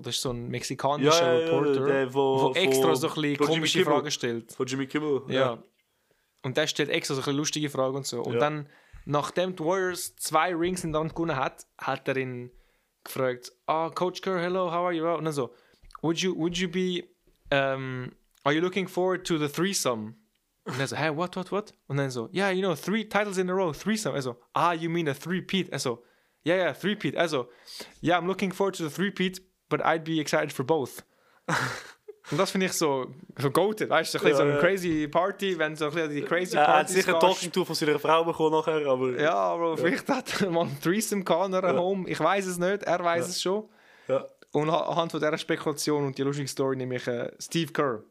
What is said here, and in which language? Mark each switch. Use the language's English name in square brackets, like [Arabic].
[German] Das ist so ein mexikanischer Reporter, der extra so ein bisschen komische Fragen stellt. Von Jimmy Kimmel. Ja. Ja. Und der stellt extra so eine lustige Frage und so. Und dann, nachdem die Warriors 2 Rings in der Hand gewonnen hat, hat er ihn gefragt, ah, Coach Kerr, [English] hello, how are you? [German] Und dann so, [English] would you be, are you looking forward to the threesome? [German] Und er so, [English] hey, what? [German] Und dann so, [English] yeah, you know, 3 titles in a row, threesome. Also, ah, you mean a 3-peat? Also, yeah, yeah, 3-peat. Also, yeah, I'm looking forward to the 3-peat, but I'd be excited for both. [German] Und das finde ich so, so goated, weißt du, so eine crazy Party, wenn so ein die crazy Party. Er hat sicher eine Talking-Tour von seiner Frau bekommen nachher, aber... Ja, aber vielleicht hat er mal einen Threesome gehabt in Home, ich weiß es nicht, er weiß es schon. Ja. Und anhand von dieser Spekulation und die lustige Story nehme ich Steve Kerr.